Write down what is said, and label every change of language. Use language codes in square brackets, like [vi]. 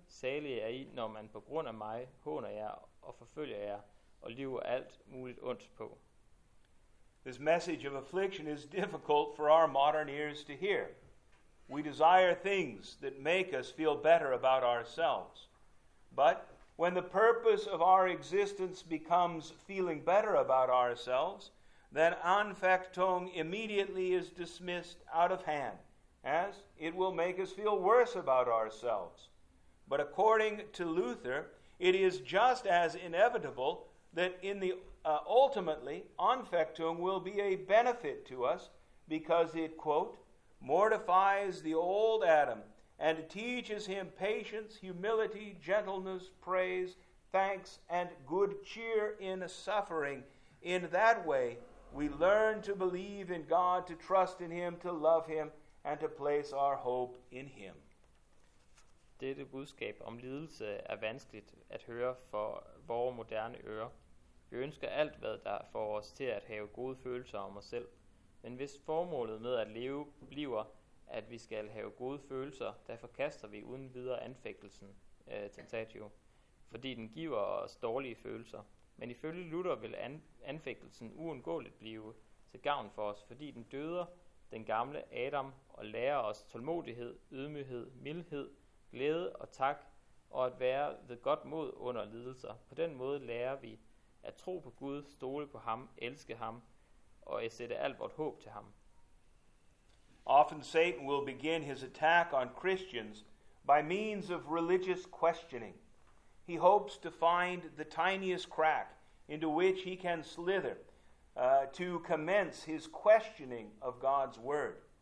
[da] Salige er I, når man på grund af mig håner jer og forfølger jer og lyver alt muligt ondt på. [en] This message of affliction is difficult for our modern ears to hear. We desire things that make us feel better about ourselves. But when the purpose of our existence becomes feeling better about ourselves, then anfechtung immediately is dismissed out of hand, as it will make us feel worse about ourselves. But according to Luther, it is just as inevitable that in the ultimately anfechtung will be a benefit to us, because it, quote, mortifies the old Adam and teaches him patience, humility, gentleness, praise, thanks, and good cheer in suffering. In that way, we learn to believe in God, to trust in him, to love him, and to place our hope in him. [da] Dette budskab om lidelse er vanskeligt at høre for vores moderne ører. Vi ønsker alt, hvad der får os til at have gode følelser om os selv. Men hvis formålet med at leve bliver, at vi skal have gode følelser, der forkaster vi uden videre anfægtelsen, tentatio, fordi den giver os dårlige følelser. Men ifølge Luther vil anfægtelsen uundgåeligt blive til gavn for os, fordi den døder den gamle Adam og lærer os tålmodighed, ydmyghed, mildhed, glæde og tak, og at være ved godt mod under lidelser. På den måde lærer vi at tro på Gud, stole på ham, elske ham, og at sætte alt vort håb til ham. [en] Often Satan will begin his attack on Christians by means of religious questioning. He hopes to find the tiniest crack into which he can slither to commence his questioning of God's word.